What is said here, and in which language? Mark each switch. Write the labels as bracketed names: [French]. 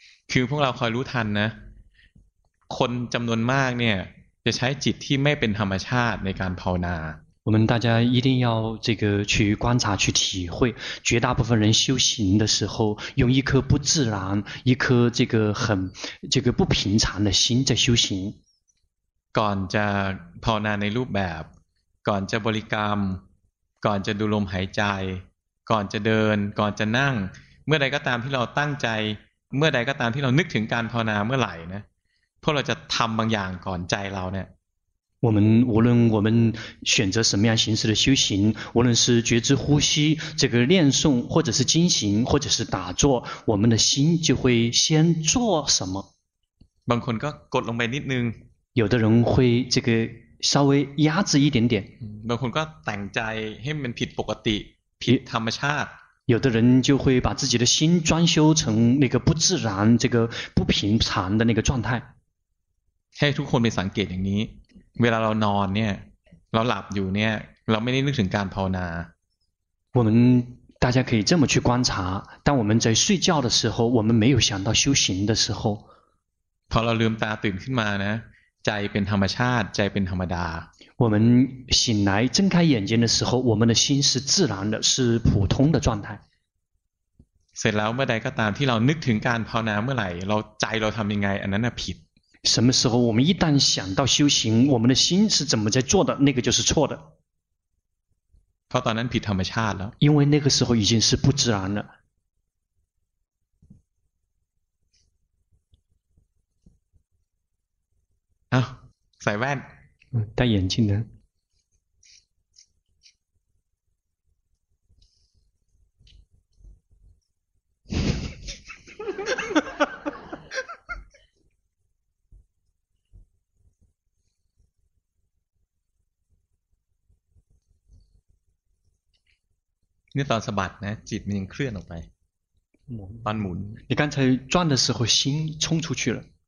[Thai] คือพวกเราคอยรู้ทันนะคนจำนวนมากเนี่ย 就ใช้จิตที่ไม่เป็นธรรมชาติในการภาวนา [Chinese] 我们大家一定要这个去观察去体会绝大部分人修行的时候用一颗不自然一颗这个很这个不平常的心在修行 [Thai] ก่อนจะภาวนาในรูปแบบก่อนจะบริกรรมก่อนจะดูลมหายใจก่อนจะเดินก่อนจะนั่งเมื่อใดก็ตามที่เราตั้งใจเมื่อใดก็ตามที่เรานึกถึงการภาวนาเมื่อไหร่นะพวกเราจะทำบางอย่างก่อนใจเราเนี่ย [Chinese] 我们无论我们选择什么样形式的修行，无论是觉知呼吸、这个念诵，或者是精行，或者是打坐，我们的心就会先做什么？ [Thai] บางคนก็กดลงไปนิดนึง [Chinese] 有的人会这个稍微压制一点点。 [Thai] บางคนก็แต่งใจให้มันผิดปกติผิดธรรมชาติ [Chinese] 有的人就会把自己的心装修成那个不自然、这个不平常的那个状态。 [Thai] ให้ทุกคนไปสังเกตอย่างนี้เวลาเรานอนเนี่ยเราหลับอยู่เนี่ยเราไม่ได้นึกถึงการภาวนา [Chinese] 我们大家可以这么去观察当我们在睡觉的时候我们没有想到修行的时候 [Thai] พอเราลืมตาตื่นขึ้นมานะใจเป็นธรรมชาติใจเป็นธรรมดา [Chinese] 我们醒来睁开眼睛的时候我们的心是自然的是普通的状态 [Thai] เสร็จแล้วเมื่อใดก็ตามที่เรานึกถึงการภาวนาเมื่อไหร่เราใจเราทำยังไงอันนั้นน่ะผิด [Chinese] 什么时候我们一旦想到修行我们的心是怎么在做的那个就是错的 [Thai] เพราะตอนนั้นผิดธรรมชาติแล้ว [Chinese] 因为那个时候已经是不自然了 [Thai] เอ้าใส่แว่น [Chinese] 戴眼镜的 [Thai] นี่ตอนสะบัดนะจิตมันยังเคลื่อนออกไปตอนหมุน [Chinese] 你刚才转的时候心冲出去了